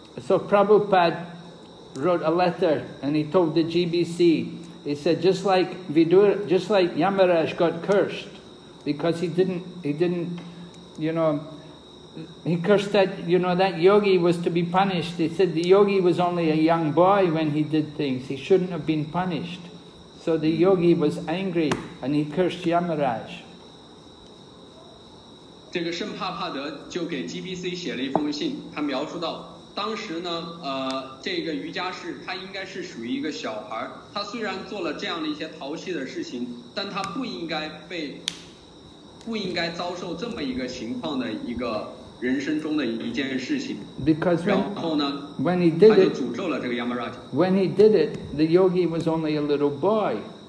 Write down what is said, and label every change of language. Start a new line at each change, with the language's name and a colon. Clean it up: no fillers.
English: So Prabhupada wrote a letter and he told the GBC, he said, just like Yamaraj got cursed because he cursed that yogi was to be punished. He said the yogi was only a young boy when he did things. He shouldn't have been punished. So the yogi was angry and he cursed Yamaraj.
Chinese: 这个圣帕帕德就给 GBC 写了一封信，他描述到当时呢，这个瑜伽士他应该是属于一个小孩，他虽然做了这样的一些淘气的事情，但他不应该遭受这么一个情况的一个人生中的一件事情。
English: Because when,
Chinese: 然后呢
English: when he did it,
Chinese: 他就诅咒了这个 Yamaraj。
English: When he did it, the yogi was only a little boy.